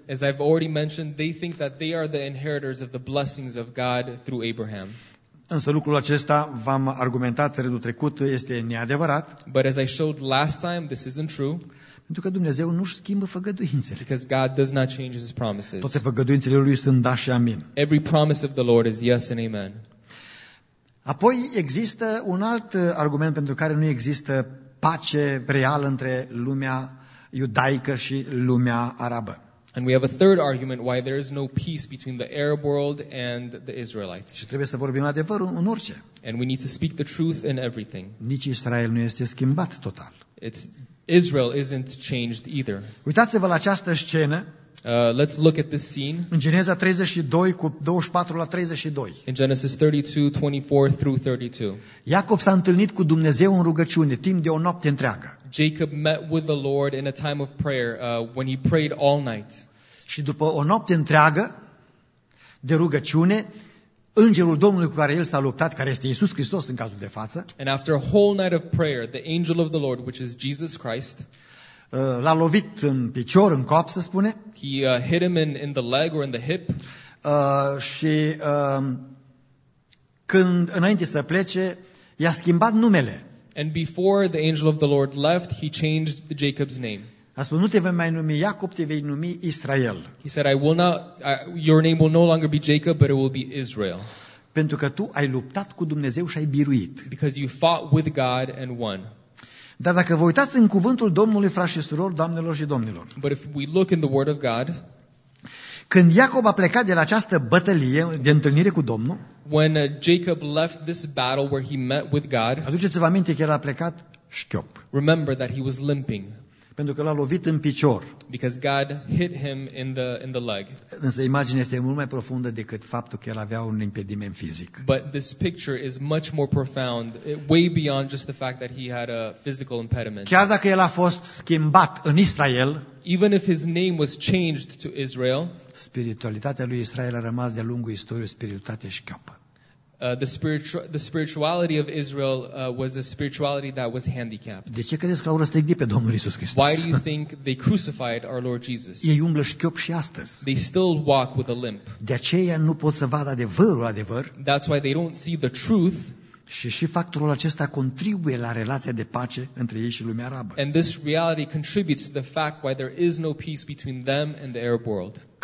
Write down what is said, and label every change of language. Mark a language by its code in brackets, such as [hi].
[en] As I've already mentioned, they think that they are the inheritors of the blessings of God through Abraham. [ro] Însă lucrul acesta, v-am argumentat redul trecut, este neadevărat. [en] But as I showed last time, this isn't true. [ro] Pentru că Dumnezeu nu-și schimbă făgăduințele. [en] Because God does not change his promises. [ro] Toate făgăduințele lui sunt da și amin. [en] Every promise of the Lord is yes and amen. [ro] Apoi există un alt argument pentru care nu există pace reală între lumea iudaică și lumea arabă. [en] And we have a third argument why there is no peace between the Arab world and the Israelites. [ro] Și trebuie să vorbim adevărul în orice. [en] And we need to speak the truth in everything. [ro] Nici Israel nu este schimbat total. [en] Israel isn't changed either. [ro] Uitați-vă la această scenă. [en] Let's look at this scene. [ro] În Geneza 32 cu 24 la 32. [en] In Genesis 32, 24 through 32. [ro] Iacob s-a întâlnit cu Dumnezeu în rugăciune timp de o noapte întreagă. [en] Jacob met with the Lord in a time of prayer when he prayed all night. [ro] Și după o noapte întreagă de rugăciune, îngerul Domnului cu care el s-a luptat, care este Iisus Hristos în cazul de față, [en] and after a whole night of prayer, the angel of the Lord, which is Jesus Christ, [ro] l-a lovit în picior, în cap, se spune. [en] He hit him in the leg or in the hip. [ro] Și când înainte să plece, i-a schimbat numele. [en] And before the angel of the Lord left, he changed Jacob's name. [ro] A spus: Nu te vei mai numi Iacob, te vei numi Israel. [en] He said, your name will no longer be Jacob, but it will be Israel. [ro] Pentru că tu ai luptat cu Dumnezeu și ai biruit. [en] Because you fought with God and won. [ro] Dar dacă vă uitați în cuvântul Domnului, frați și surori, doamnelor și domnilor. [en] But if we look in the word of God, [ro] când Iacob a plecat de la această bătălie de întâlnire cu Domnul, [en] when Jacob left this battle where he met with God, [ro] aduceți-vă aminte că el a plecat șchiop. [en] Remember that he was limping. [ro] Pentru că l-a lovit în picior. [en] Because God hit him in the leg. [ro] Însă imaginea este mult mai profundă decât faptul că el avea un impediment fizic. [en] But this picture is much more profound, way beyond just the fact that he had a physical impediment. [ro] Chiar dacă el a fost schimbat în Israel, [en] even if his name was changed to Israel, [ro] spiritualitatea lui Israel a rămas de-a lungul istoriei spiritualitate șchioapă. [en] The spirituality of Israel was a spirituality that was handicapped. [ro] De ce credeți că l-au răstignit pe Domnul Iisus Hristos? [en] Why do you think they crucified our Lord Jesus? [ro] Ei umblă șchiop și astăzi. [en] They still walk with a limp. [ro] De aceea nu pot să vadă adevărul adevăr. [en] That's why they don't see the truth. [ro] Și factorul acesta contribuie la relația de pace între ei și lumea arabă. [en] And this reality contributes to the fact why there is no peace between them and the Arab world.